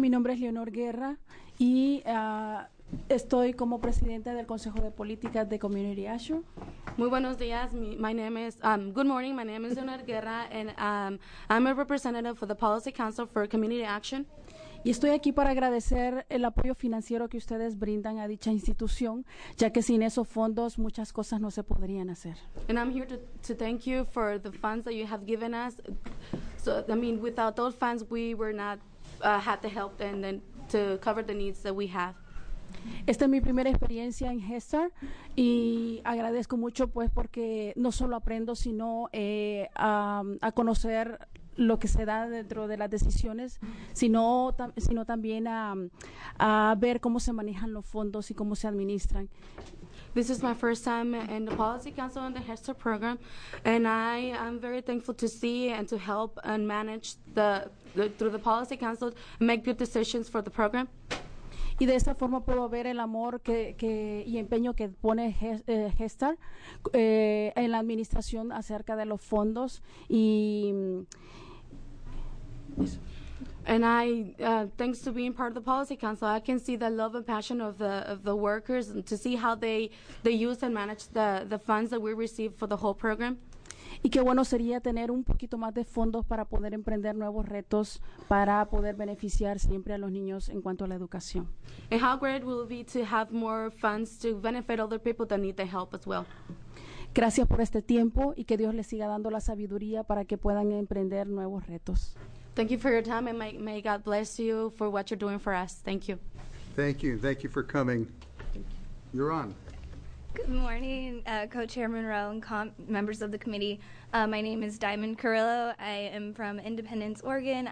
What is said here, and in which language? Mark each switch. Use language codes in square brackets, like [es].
[es] Mi nombre es Leonor Guerra, y estoy como presidenta del Consejo de Políticas de Community Action. Muy buenos días. [en] Good morning. My name is Leonor Guerra, and I'm a representative for the Policy Council for Community Action. [es] Y estoy aquí para agradecer el apoyo financiero que ustedes brindan a dicha institución, ya que sin esos fondos muchas cosas no se podrían hacer. [en] And I'm here to thank you for the funds that you have given us. So, I mean, without those funds, we were not had the help and then to cover the needs that we have. [es] Esta es mi primera experiencia en Head Start, y agradezco mucho, pues, porque no solo aprendo, sino a conocer lo que se da dentro de las decisiones, sino también a ver cómo se manejan los fondos y cómo se administran. [en] This is my first time in the Policy Council and the Head Start program, and I am very thankful to see and to help and manage through the Policy Council make good decisions for the program. [es] Y de esa forma puedo ver el amor que y empeño que pone Head Start en la administración acerca de los fondos y [en] And I, thanks to being part of the Policy Council, I can see the love and passion of the workers and to see how they use and manage the funds that we receive for the whole program. [es] Y qué bueno sería tener un poquito más de fondos para poder emprender nuevos retos para poder beneficiar siempre a los niños en cuanto a la educación. [en] And how great will it be to have more funds to benefit other people that need the help as well. [es] Gracias por este tiempo y que Dios les siga dando la sabiduría para que puedan emprender nuevos retos. [en] Thank you for your time, and may God bless you for what you're doing for us. Thank you. Thank you. Thank you for coming. Thank you. You're on. Good morning, Co-Chair Monroe and members of the committee. My name is Diamond Carrillo. I am from Independence, Oregon.